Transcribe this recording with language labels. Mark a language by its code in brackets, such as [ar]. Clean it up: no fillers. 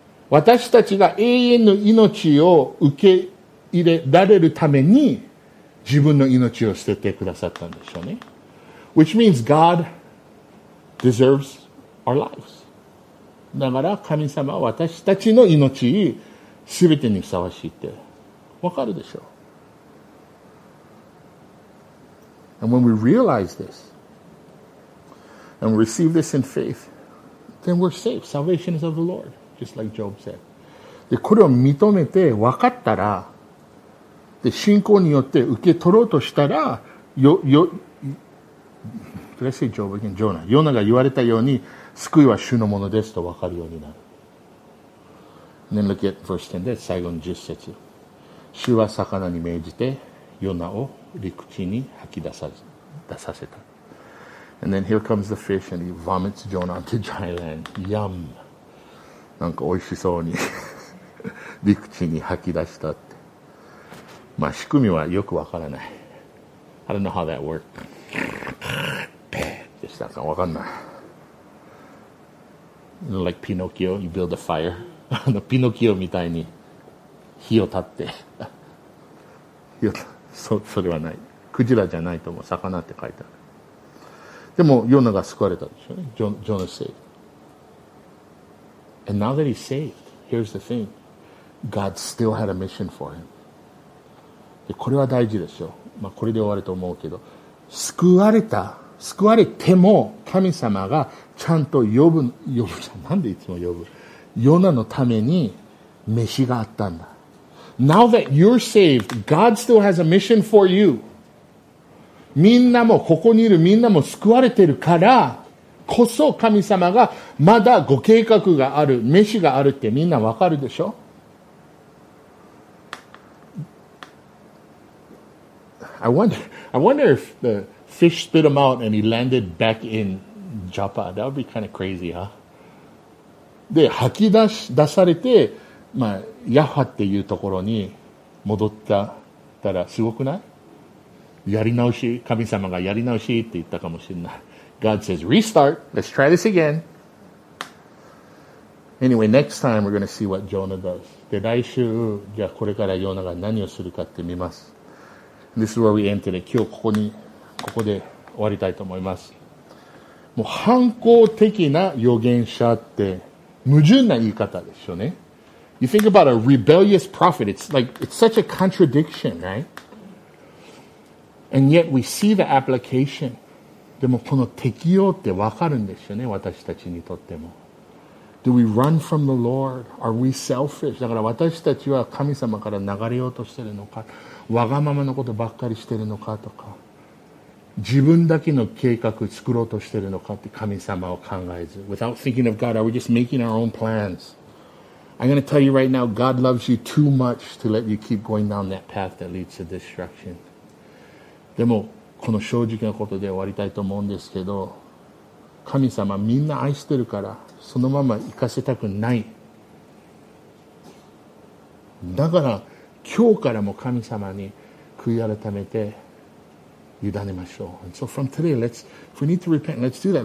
[ja] 私たちが永遠の命を受け入れられるために自分の命を捨ててくださったんでしょうね。 [en] Which means God deserves our lives. [ja] だから神様は私たちの命すべてにふさわしいってわかるでしょう。 [en] And when we realize this and receive this in faith, then we're safe. Salvation is of the Lord, just like Job said. [ja] でこれを認めて分かったら、で信仰によって受け取ろうとしたら、 [en] Did I say Job again? Jonah. [ja] ヨナが言われたように救いは主のものですと分かるようになる。 [en] And then look at verse 10 [ja] で最後の10節。主は魚に命じてヨナを陸地に吐き出させた。 [en] And then here comes the fish and he vomits Jonah onto dry land. Yum! [ja] なんか美味しそうに陸地に吐き出したって。まあ仕組みはよく分からない。 [en] I don't know how that worked. Bam! [ja] でしたか分かんない。 [en] You know, like Pinocchio, you build a fire. [ja] Pinocchio みたいに火を立って。それはない。クジラじゃないと思う。魚って書いてある。でも、ヨナが救われたでしょうね。 [en] ジョナ saved. And now that he's saved, here's the thing. God still had a mission for him. [ja] でこれは大事ですよ。まあ、これで終わると思うけど。救われても神様がちゃんと呼ぶじゃん。なんでいつも呼ぶ？ヨナのために飯があったんだ。 [en] Now that you're saved, God still has a mission for you. [ja] みんなも、ここにいるみんなも救われてるからこそ神様がまだご計画がある、飯があるってみんなわかるでしょ？ [en] I wonder if the fish spit him out and he landed back in Joppa. That would be kind of crazy, huh? [ja] で、吐き出されて、まあ、ヤッハっていうところに戻ったらすごくない？やり直し、神様がやり直しって言ったかもしれない。 [en] God says, restart. Let's try this again. Anyway, next time we're going to see what Jonah does. [ja] で、来週、じゃあこれからヨナが何をするかって見ます。 [en] This is where we end today. [ja] 今日ここに、ここで終わりたいと思います。もう反抗的な預言者って矛盾な言い方でしょうね。 [en] You think about a rebellious prophet. It's like, it's such a contradiction, right? And yet we see the application. [ja] でもこの適応って分かるんですよね、私たちにとっても。 [en] Do we run from the Lord? Are we selfish? [ja] だから私たちは神様から流れようとしてるのか、わがままのことばっかりしてるのかとか、自分だけの計画作ろうとしてるのかって神様を考えず。 [en] Without thinking of God, are we just making our own plans? I'm going to tell you right now, God loves you too much to let you keep going down that path that leads to destruction. [ja] でも、この正直なことで終わりたいと思うんですけど、神様みんな愛してるからそのまま行かせたくない。だから今日からも神様に悔い改めて委ねましょう。 [en] And so from today, let's, if we need to repent, let's do that.